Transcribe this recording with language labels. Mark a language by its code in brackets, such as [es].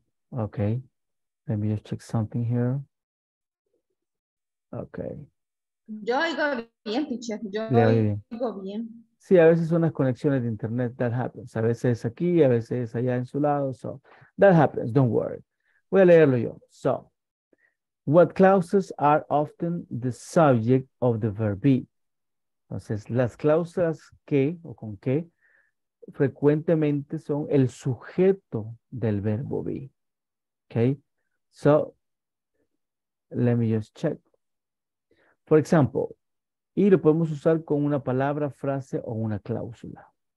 [en] Ok. Let me just check something here. Ok. [es] Yo oigo bien, teacher. Yo oigo bien. Sí, a veces son las conexiones de internet, [en] that happens. [es] A veces es aquí, a veces es allá en su lado. [en] So, that happens, don't worry. [es] Voy a leerlo yo. [en] So, what clauses are often the subject of the verb be? [es] Entonces, las cláusulas que o con que frecuentemente son el sujeto del verbo be. [en] Okay, so, let me just check. For example, [es] y lo podemos usar con una palabra, frase o una cláusula.